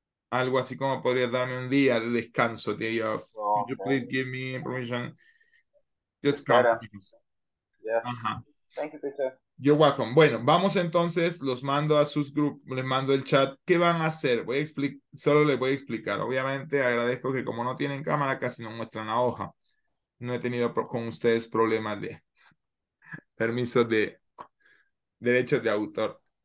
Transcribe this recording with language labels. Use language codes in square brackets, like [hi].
[es] Algo así como podría darme un día de descanso, day off. [en] Oh, could okay. You please give me permission? Just come. Yeah. Uh-huh. Thank you, teacher. You're welcome. [es] Bueno, vamos entonces, los mando a sus grupos, les mando el chat. ¿Qué van a hacer? Solo les voy a explicar. Obviamente agradezco que como no tienen cámara, casi no muestran la hoja. No he tenido con ustedes problemas de... permiso de derechos de autor.